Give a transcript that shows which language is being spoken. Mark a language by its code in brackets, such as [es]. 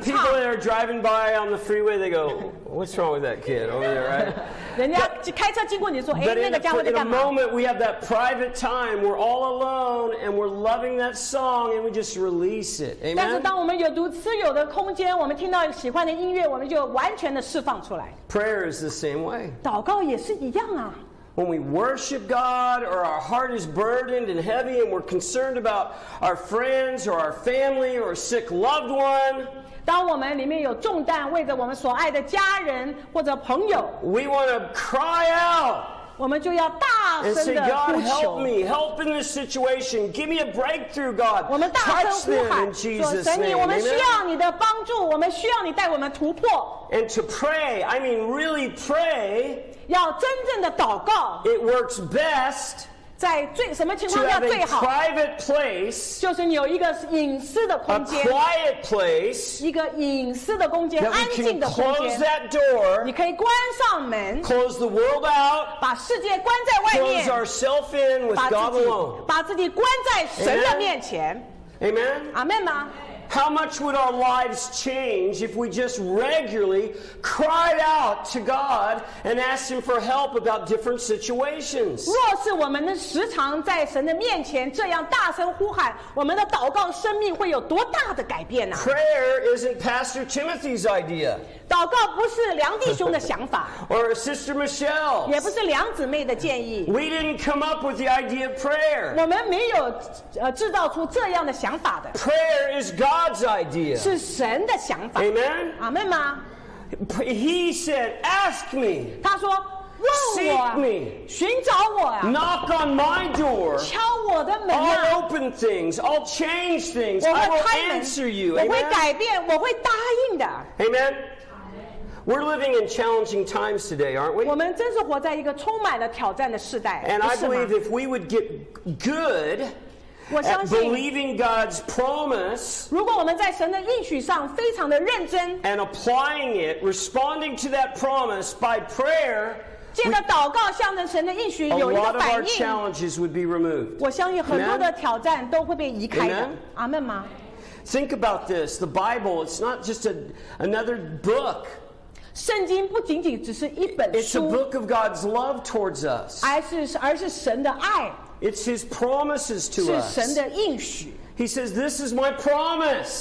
[en] And the people that are driving by on the freeway, they go, "What's wrong with that kid over there?" Right? [zh] 人家开车经过，你说，哎，那个家伙在干嘛？ [en] But in a moment, we have that private time. We're all alone, and we're loving that song, and we just release it. Amen. [zh] 但是当我们有独自有的空间，我们听到喜欢的音乐，我们就完全的释放出来。 [en] Prayer is the same way. [zh] 祷告也是一样啊。 [en] When we worship God, or our heart is burdened and heavy, and we're concerned about our friends, or our family, or a sick loved one, [zh] 当我们里面有重担，为着我们所爱的家人或者朋友， [en] we want to cry out. [zh] 我们就要大声的呼求。 [en] And say, God, help me, help in this situation. Give me a breakthrough, God. [zh] 我们大声呼喊， [en] touch them in Jesus' name. [zh] 说神，我们需要你的帮助，我们需要你带我们突破。 [en] And to pray, I mean, really pray. [zh] 要真正的祷告。 [en] It works best. [zh] 在最什么情况下最好 [en] ？To have a private place. [zh] 就是你有一个隐私的空间。 [en] A quiet place. [zh] 一个隐私的空间，安静的空间。 [en] That we can close that door. [zh] 你可以关上门。 [en] Close the world out. [zh] 把世界关在外面。 [en] Close ourselves in with God alone. [zh] 把自己关在神的面前。 [en] Amen. [zh] Amen 吗？ [en] How much would our lives change if we just regularly cried out to God and asked Him for help about different situations? [zh] 若是我们能时常在神的面前这样大声呼喊，我们的祷告生命会有多大的改变呢？ [en] Prayer isn't Pastor Timothy's idea. [zh] 祷告不是梁弟兄的想法。 [en] Or Sister Michelle's. [zh] 也不是梁姊妹的建议。 [en] We didn't come up with the idea of prayer. [zh] 我们没有制造出这样的想法的。 [en] Prayer is God's idea. [zh] 是神的想法。 [en] Amen. [zh] Amen 吗？ [en] He said, "Ask me." [zh] 他说， [en] Seek me. [zh] 寻找我, [en] Knock on my door. [zh] 敲我的门啊, [en] I'll open things. I'll change things. [zh] 我会开门, [en] I will answer you. [zh] 我会改变, [en] Amen? Amen. We're living in challenging times today, aren't we? [zh] 我们真是活在一个充满了挑战的时代, [en] and I believe if we would get good at believing God's promise, [zh] 如果我们在神的应许上非常的认真, [en] and applying it, responding to that promise by prayer, [zh] 借着祷告, we, 向着神的应许有一个反应, [en] a lot of our challenges would be removed. [zh] 我相信很多的挑战都会被移开的, [en] Amen? [zh] Amen吗? [en] Think about this, the Bible, it's not just another book. [zh] 圣经不仅仅只是一本书, [en] it's a book of God's love towards us. [zh] 而是神的爱, [en] it's his promises to us. He says, this is my promise.